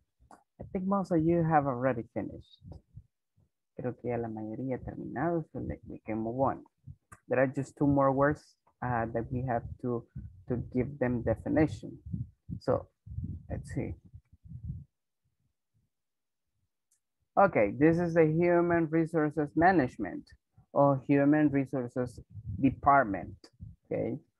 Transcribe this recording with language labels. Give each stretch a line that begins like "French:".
English: I think most of you have already finished.
Spanish: Creo que ya la mayoría ha terminado, so we can move on.
English: There are just two more words that we have to give them definition. So, let's see. Okay, this is the human resources management or human resources department, okay?